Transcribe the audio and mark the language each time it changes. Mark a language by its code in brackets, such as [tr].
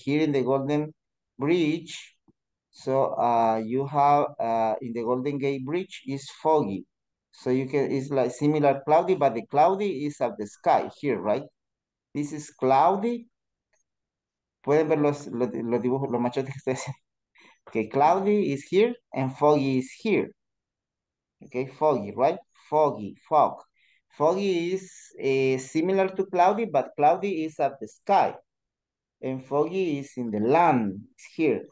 [en] Here in the Golden Bridge, so you have in the Golden Gate Bridge is foggy. So you can, it's like similar cloudy, but the cloudy is of the sky here, right? This is cloudy. [es] Pueden ver los dibujos, los machotes que ustedes. [en] Okay, cloudy is here and foggy is here. Okay, foggy, right? Foggy, fog. Foggy is similar to cloudy, but cloudy is at the sky. And foggy is in the land, it's here.